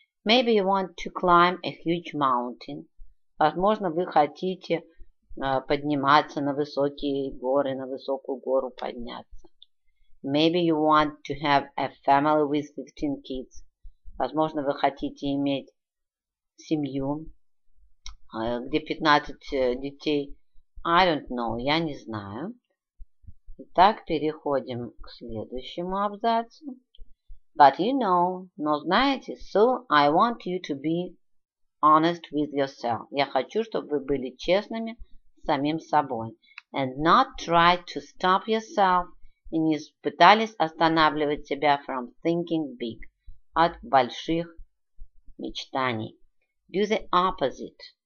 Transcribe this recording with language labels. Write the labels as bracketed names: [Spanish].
[English] Maybe you want to climb a huge mountain. [Russian] Возможно, вы хотите подниматься на высокие горы, на высокую гору подняться. [English] Maybe you want to have a family with 15 kids. [Russian] Возможно, вы хотите иметь семью, где 15 детей. [English] I don't know, [Russian] я не знаю. Итак, переходим к следующему абзацу. [English] But you know, [Russian] но знаете, [English] so I want you to be honest with yourself. [Russian] Я хочу, чтобы вы были честными с самим собой. [English] And not try to stop yourself. [Russian] И не пытались останавливать себя [English] from thinking big. [Russian] От больших мечтаний. [English] Do the opposite.